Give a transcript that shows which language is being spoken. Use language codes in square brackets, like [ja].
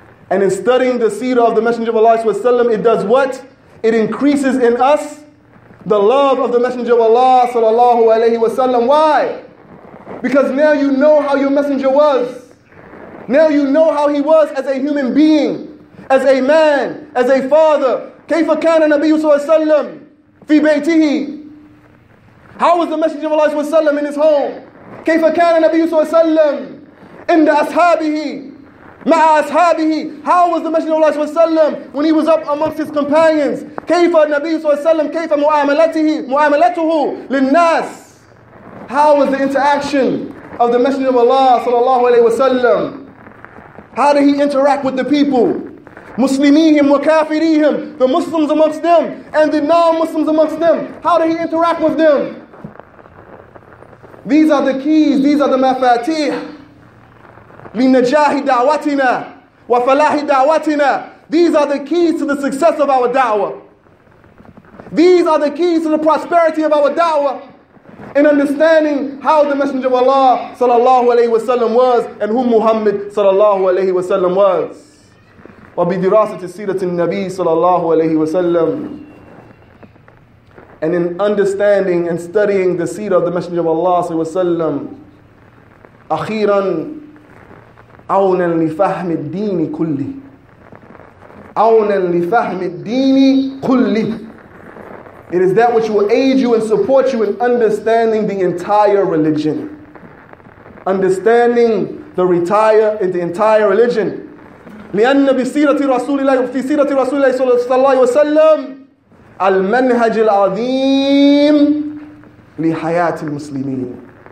[en] And in studying the seerah of the Messenger of Allah, it does what? It increases in us the love of the Messenger of Allah sallallahu alayhi wa sallam. Why? Because now you know how your Messenger was. Now you know how he was as a human being, as a man, as a father. [ar] كيف كان النبي صلى الله عليه وسلم في بيته? [en] How was the Messenger of Allah in his home? [ar] كيف كان النبي صلى الله عليه وسلم [en] in the [ar] أصحابه? مع أصحابه. [en] How was the Messenger of Allah sallallahu alayhi wa sallam when he was up amongst his companions? [ar] كيف النبي صلى الله عليه وسلم كيف معاملته للناس? [en] How was the interaction of the Messenger of Allah sallallahu alayhi wa sallam? How did he interact with the people? [ar] مسلميهم وكافريهم, [en] the Muslims amongst them and the non-Muslims amongst them. How did he interact with them? These are the keys, these are the mafatih [ar] لنجاح دعوتنا وفلاح دعوتنا. [en] These are the keys to the success of our da'wah. These are the keys to the prosperity of our da'wah. In understanding how the Messenger of Allah sallallahu alayhi wa sallam was and who Muhammad sallallahu alayhi wa sallam was. [ar] وبدراسة سيرة النبي sallallahu alayhi wa sallam. [en] And in understanding and studying the seerah of the Messenger of Allah sallallahu alayhi wa sallam. [ar] أخيرا عونا لفهم الدين كله. عونا لفهم الدين كله. [en] It is that which will aid you and support you in understanding the entire religion. Understanding the entire religion. [ar] لأن بسيرة رسول الله في سيرة رسول الله صلى الله عليه وسلم المنهج العظيم لحياة المسلمين.